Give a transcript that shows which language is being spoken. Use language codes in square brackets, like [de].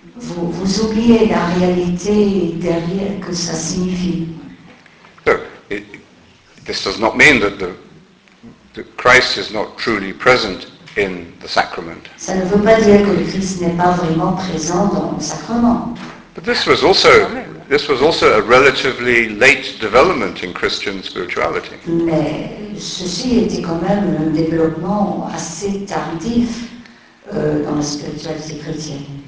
[fr] Vous oubliez la réalité derrière que ça signifie. [en] This does not mean that the Christ is not truly present in the sacrament. [fr] Ça ne veut pas dire que le Christ n'est pas vraiment présent dans le sacrement. [en] But this was also a relatively late development in Christian spirituality. [fr] Mais ceci était quand même un développement assez tardif dans la spiritualité chrétienne.